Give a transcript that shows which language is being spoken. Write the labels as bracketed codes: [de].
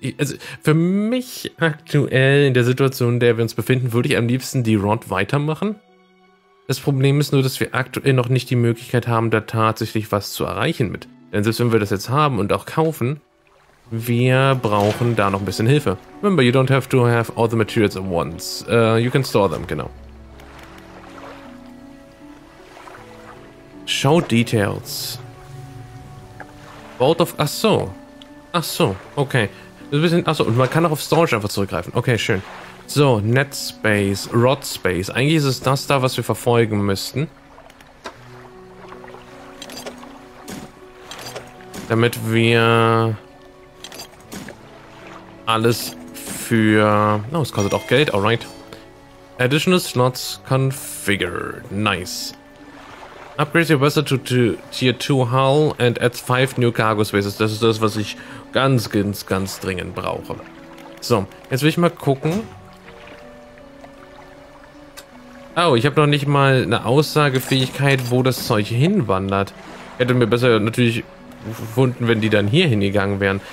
[de] Also für mich aktuell in der Situation, in der wir uns befinden, würde ich am liebsten die Rod weitermachen. Das Problem ist nur, dass wir aktuell noch nicht die Möglichkeit haben, da tatsächlich was zu erreichen mit. Denn selbst wenn wir das jetzt haben und auch kaufen, wir brauchen da noch ein bisschen Hilfe. [en] Remember, you don't have to have all the materials at once. You can store them, [de] genau. [en] Show details. Vault of... [de] Ach so, okay. Ein bisschen, ach so, und man kann auch auf Storage einfach zurückgreifen. Okay, schön. So, Net Space, Rod Space. Eigentlich ist es das da, was wir verfolgen müssten. Damit wir... alles für... Oh, es kostet auch Geld, alright. [en] Additional Slots configured. Nice. Upgrade your vessel to Tier 2 Hull and add 5 new cargo spaces. [de] Das ist das, was ich ganz, ganz, ganz dringend brauche. So, jetzt will ich mal gucken. Oh, ich habe noch nicht mal eine Aussagefähigkeit, wo das Zeug hinwandert. Hätte mir besser natürlich gefunden, wenn die dann hier hingegangen wären.